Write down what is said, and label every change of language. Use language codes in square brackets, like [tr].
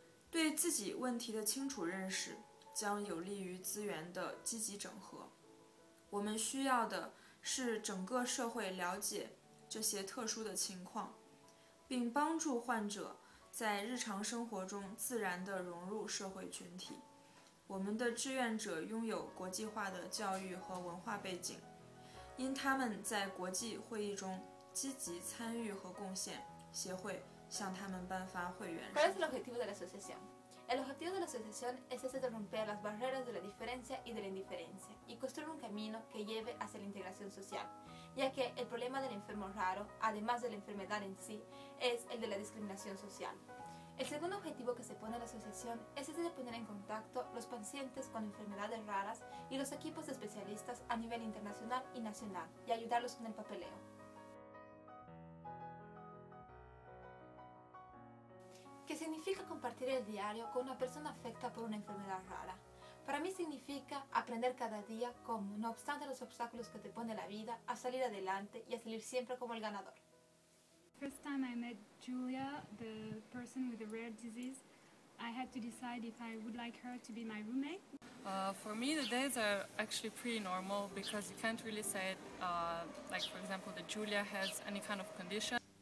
[zh] 对自己问题的清楚认识，将有利于资源的积极整合。我们需要的是整个社会了解这些特殊的情况，并帮助患者在日常生活中自然地融入社会群体。我们的志愿者拥有国际化的教育和文化背景， 因他们在国际会议中积极参与和贡献，协会向他们颁发会员。 [es] ¿Cuál es el objetivo de la asociación? El objetivo de la asociación es ese de romper las barreras de la diferencia y de la indiferencia y construir un camino que lleve hacia la integración social, ya que el problema del enfermo raro, además de la enfermedad en sí, es el de la discriminación social. El segundo objetivo que se pone a la asociación es ese de poner en contacto los pacientes con enfermedades raras y los equipos de especialistas a nivel internacional y nacional y ayudarlos con el papeleo. ¿Qué significa compartir el diario con una persona afectada por una enfermedad rara? Para mí significa aprender cada día cómo, no obstante los obstáculos que te pone la vida, a salir adelante y a salir siempre como el ganador. [en] First time I met Julia, the person with the rare disease, I had to decide if I would like her to be my roommate. For me, the days are actually pretty normal because you can't really say it, like for example, that Julia has any kind of condition.